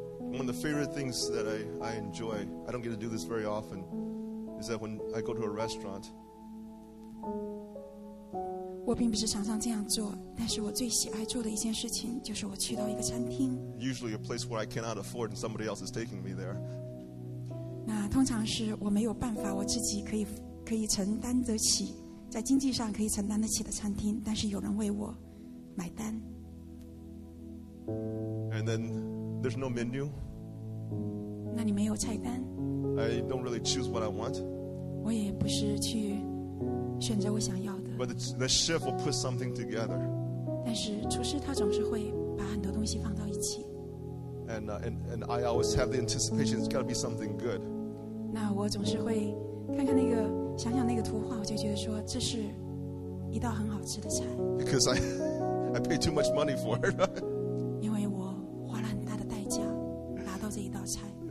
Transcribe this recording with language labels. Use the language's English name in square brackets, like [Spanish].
[English] One of the favorite things that I enjoy, I don't get to do this very often, is that when I go to a restaurant. [Chinese] 我并不是常常这样做，但是我最喜爱做的一件事情就是我去到一个餐厅。 [English] Usually a place where I cannot afford and somebody else is taking me there. [Chinese] 那通常是我没有办法我自己可以承担得起，在经济上可以承担得起的餐厅，但是有人为我买单。 [English] And then there's no menu. [Chinese] 那你没有菜单。 [English] I don't really choose what I want. [Chinese] 我也不是去选择我想要的。 [English] But the chef will put something together. [Chinese] 但是厨师他总是会把很多东西放到一起。 [English] And I always have the anticipation it's got to be something good. [Chinese] 那我总是会看看那个想想那个图画，我就觉得说这是一道很好吃的菜。 [English] Because I pay too much money for it. [Chinese] 因为我花了很大的代价拿到这一道菜。